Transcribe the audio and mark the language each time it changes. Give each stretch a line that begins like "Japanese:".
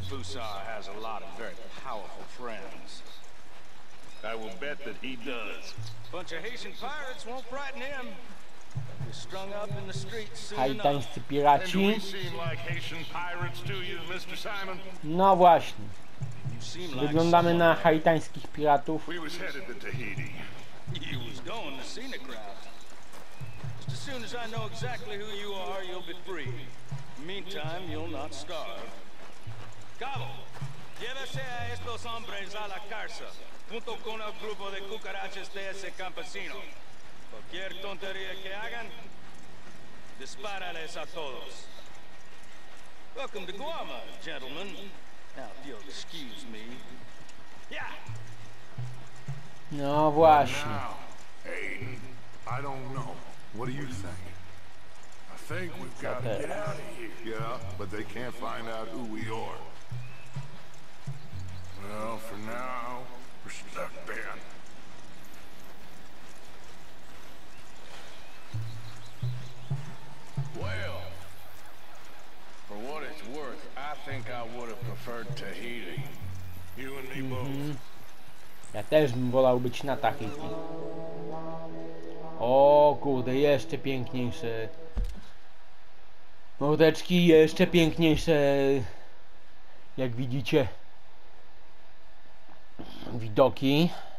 English: Fusar has a lot of very powerful friends. I will bet that he does. Bunch of Haitian pirates won't frighten him. He's strung up in the streets soon enough. And do we seem like Haitian pirates to you, Mr. Simon?
Polish: No właśnie. Wyglądamy na haitańskich piratów.
English: We was headed to Tahiti. He was going to Scenograph. Just as soon as I know exactly who you are, you'll be free. Meantime, you'll not starve.
Spanish: Cabo, llévese a estos hombres a la cárcel, junto con el grupo de cucarachas de ese campesino. Cualquier tontería que hagan, dispárales a todos.
English: Welcome to Guama, gentlemen. Now, if you'll excuse me. Yeah!
Polish: No, właśnie.
English: Now, Aiden, I don't know. What do you think? I think we've got to get out of here. Yeah, but they can't find out who we are. Well, for now, we're stuck, Ben. Well, for what it's worth, I think I would have preferred Tahiti. You and me both.
Polish: Ja też bym wolał być na Tahiti. O kurde, jeszcze piękniejsze mordeczki, jeszcze piękniejsze, jak widzicie, widoki.